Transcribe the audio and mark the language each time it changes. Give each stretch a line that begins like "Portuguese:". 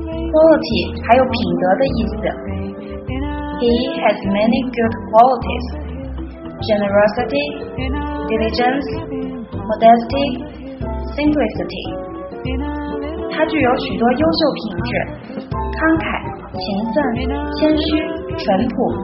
Chinese: Quality 还有品德的意思。
English: He has many good qualities, generosity, diligence, modesty, simplicity.
Chinese: 他具有许多优秀品质，慷慨、勤奋、谦虚、淳朴。